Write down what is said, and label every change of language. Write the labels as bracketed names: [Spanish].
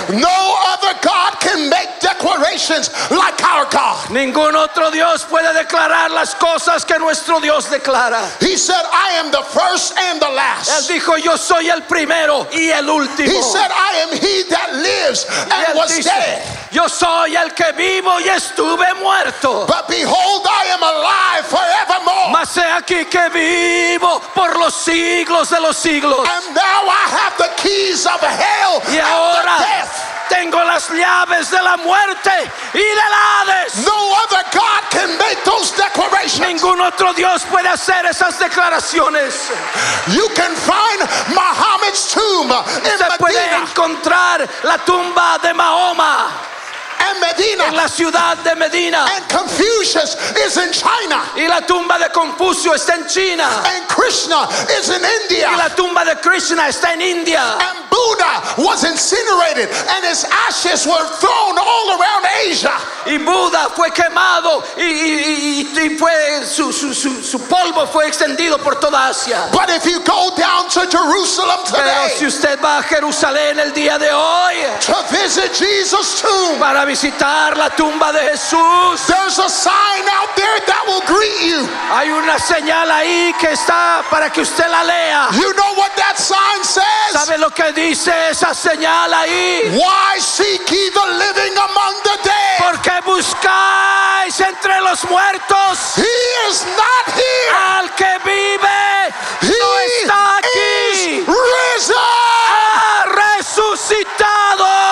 [English] No other God can make declarations like our God. [Spanish] Ningún otro Dios puede declarar las cosas que nuestro Dios declara. [English] He said, I am the first and the last. [Spanish] Él dijo, yo soy el primero y el último. [English] He said, I am he that lives and was dead. [Spanish] Yo soy el que vivo y estuve muerto. [English] But behold, I am alive forevermore. [Spanish] Mas he aquí que vivo por los siglos de los siglos. [English] And now I have the keys of hell [Spanish] y ahora [English] and the death. [Spanish] Tengo las llaves de la muerte y del Hades. [English] No other God can make those declarations. [Spanish] Ningún otro Dios puede hacer esas declaraciones. [English] You can find Muhammad's tomb in Medina. [Spanish] Se puede encontrar la tumba de Mahoma. [English] And Medina. [Spanish] En la ciudad de Medina. [English] And Confucius is in China. [Spanish] Y la tumba de Confucio está en China. [English] And Krishna is in India. [Spanish] Y la tumba de Krishna está en India. [English] And Buddha was incinerated, and his ashes were thrown all around Asia. [Spanish] Y Buda fue quemado y fue su polvo fue extendido por toda Asia. [English] But if you go down to Jerusalem today, [Spanish] pero si usted va a Jerusalén el día de hoy, [English] to visit Jesus' tomb. [Spanish] Para visitar la tumba de Jesús. [English] There's a sign out there that will greet you. [Spanish] Hay una señal ahí que está para que usted la lea. [English] You know what that sign says? [Spanish] ¿Sabe lo que dice esa señal ahí? [English] Why seek ye the living among the dead? [Spanish] ¿Por qué buscáis entre los muertos? [English] He is not here. [Spanish] Al que vive, [English] he [Spanish] no está aquí. [English] Is risen. [Spanish] Ha resucitado.